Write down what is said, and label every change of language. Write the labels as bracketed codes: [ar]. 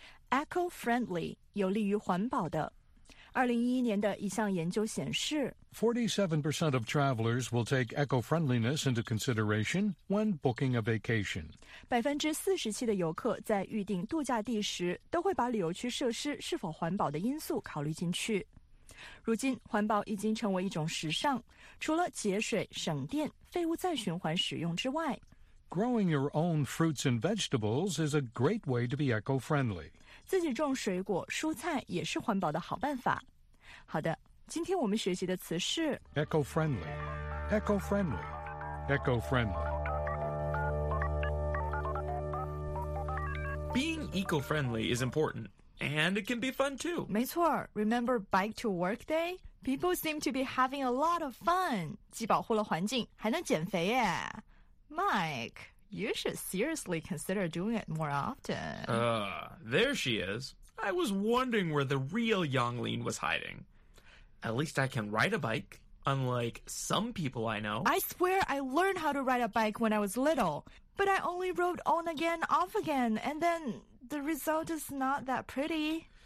[zh] Eco-friendly, 有利于环保的。 2011年的一项研究显示 [en] 47% of travelers will take eco-friendliness into consideration when booking a vacation. [zh] 47%的游客在预定度假地时都会把旅游区设施是否环保的因素考虑进去。如今环保已经成为一种时尚，除了节水、省电、废物再循环使用之外。 [en] Growing your own fruits and vegetables is a great way to be eco-friendly. [zh] 自己种水果、蔬菜也是环保的好办法。好的，今天我们学习的词是 [en] eco-friendly, eco-friendly, eco-friendly. Being eco-friendly is important, and it can be fun too. [zh] 没错 [en] ,remember bike to work day? People seem to be having a lot of fun. [zh] 既保护了环境，还能减肥耶。 [en] Mike, you should seriously consider doing it more often. There she is. I was wondering where the real Yang Lin was hiding. At least I can ride a bike, unlike some people I know. I swear I learned how to ride a bike when I was little, but I only rode on again, off again, and then the result is not that pretty.